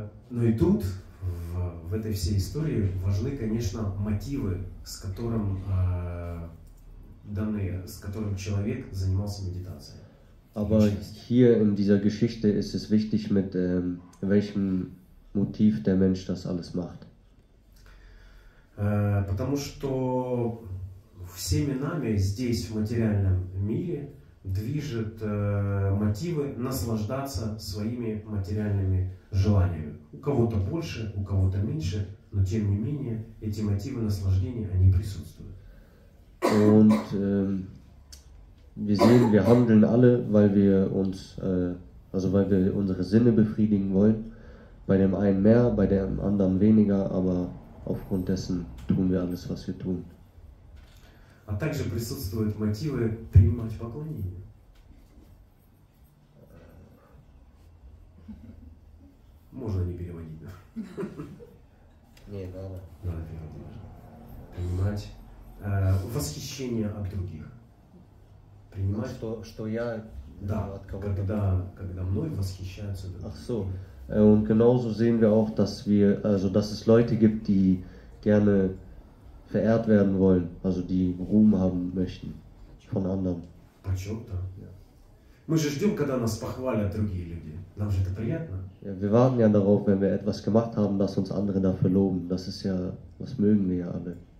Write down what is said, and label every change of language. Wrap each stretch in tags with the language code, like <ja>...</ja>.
<ru>Ну и тут в этой всей истории важны, конечно, мотивы, с которым человек занимался медитацией.</ru> <de>Aber hier in dieser Geschichte ist es wichtig, mit welchem Motiv der Mensch das alles macht.</de> <ru>Потому что всеми нами здесь в материальном мире движет мотивы наслаждаться своими материальными желаниями. У кого-то больше, у кого-то меньше, но тем не менее эти мотивы наслаждения, они присутствуют.</ru> <de>Und wir sehen, wir handeln alle, weil wir unsere Sinne befriedigen wollen. Bei dem einen mehr, bei dem anderen weniger, aber aufgrund dessen tun wir alles, was wir tun.</de> <ru>А также присутствуют мотивы принимать поклонение. Можно не переводить, да? Не, надо. Надо переводить. Принимать восхищение от других. Принимать то, что я от кого-то. Да, когда мной восхищаются другие.</ru> <de>Ach so. Und genauso sehen wir auch, dass es Leute gibt, die gerne verehrt werden wollen, also die Ruhm haben möchten von anderen.</de> <ru>Мы же ждем, когда нас похвалят другие люди. Нам же это приятно.</ru> <de>Ja, wir warten ja darauf, wenn wir etwas gemacht haben, dass uns andere dafür loben. Das ist ja, was mögen wir ja alle.</de>